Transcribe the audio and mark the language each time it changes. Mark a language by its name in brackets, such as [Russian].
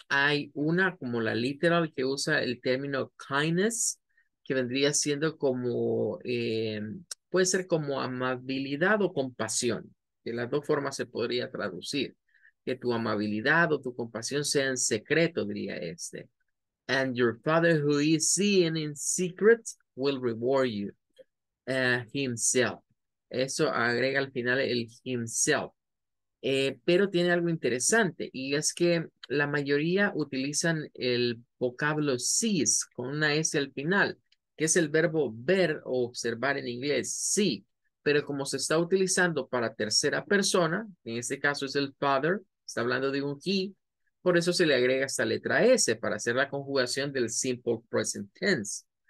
[Spanish] Hay una como la literal que usa el término kindness, que vendría siendo como, puede ser como amabilidad o compasión, que las dos formas se podría traducir, que tu amabilidad o tu compasión sea en secreto, diría este. [English] And your father who is seeing in secret will reward you himself. [Spanish] Eso agrega al final el himself. Pero tiene algo interesante y es que la mayoría utilizan el vocablo sees con una S al final, que es el verbo ver o observar en inglés, see. Pero como se está utilizando para tercera persona, en este caso es el father, está hablando de un he, por eso se le agrega esta letra S para hacer la conjugación del simple present tense.